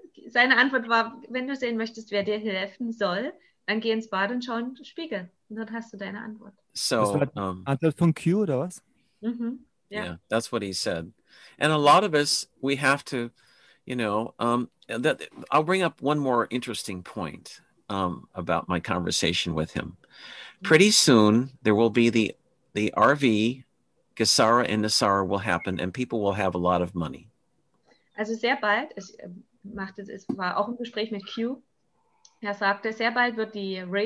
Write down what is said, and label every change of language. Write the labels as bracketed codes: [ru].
[de] Seine Antwort war, wenn du sehen möchtest, wer dir helfen soll, dann geh ins Bad und schau in den Spiegel. Und dann hast du deine Antwort. So, Antwort von Q oder was? Mm-hmm. Yeah. [en] That's what he said. And a lot of us, we have to, you know, I'll bring up one more interesting point about my conversation with him. Pretty soon, there will be the RV, Gesara and Nisara will happen, and people will have a lot of money. [de] Also sehr bald, es war auch im Gespräch mit Q, sagte, sehr bald wird die